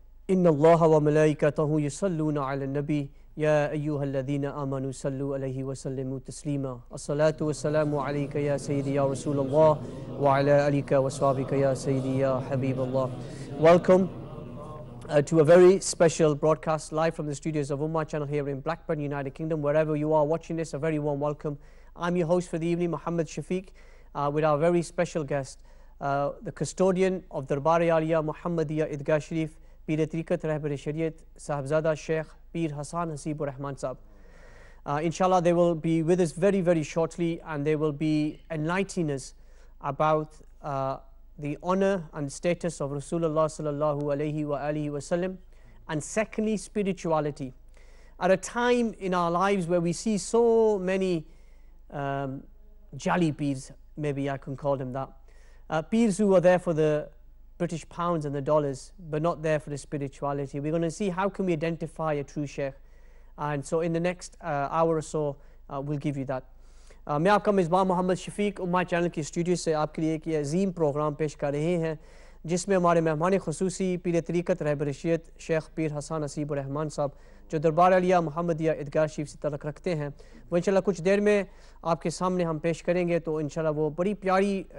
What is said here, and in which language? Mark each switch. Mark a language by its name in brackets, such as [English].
[Arabic] إن الله وملائكته يصلون على النبي يا أيها الذين آمنوا صلوا عليه وسلموا تسليما الصلاة والسلام عليك يا سيدي يا رسول الله وعلى آلك وصحبك يا سيدي يا حبيب الله [English] Welcome to a very special broadcast live from the studios of Ummah Channel here in Blackburn, United Kingdom. Wherever you are watching this, a very warm welcome. I'm your host for the evening, Muhammad Shafiq, with our very special guest, the custodian of Darbar-e-Aliya Muhammadiyah Idgah Sharif, Peer Tariqat Rehbar-e Shariat, Sahibzada Sheikh Peer Hasan Haseebur Rahman Saab. Inshallah, they will be with us very, very shortly, and they will be enlightening us about the honor and status of Rasulullah sallallahu alayhi wa alihi wa sallam, and secondly, spirituality. At a time in our lives where we see so many jali peers, maybe I can call them that, peers who are there for the British pounds and the dollars, but not there for the spirituality, we're going to see how can we identify a true sheikh. And so in the next hour or so, we'll give you that. [Hindi] मैं आपका मेज़बान मोहम्मद शफीक उम्मा channel के studio से आपके लिए एक अजीम programme पेश कर रहे हैं जिसमें हमारे मेहमान खसूसी पीर तरीकत रहबर शरीयत शेख पीर हसन हसीबुर रहमान साहब जो दरबार अलिया मुहम्मदिया इदगाह शरीफ से तलक रखते हैं वो इंशाल्लाह कुछ देर में आपके सामने हम पेश करेंगे तो इंशाल्लाह वो बड़ी प्यारी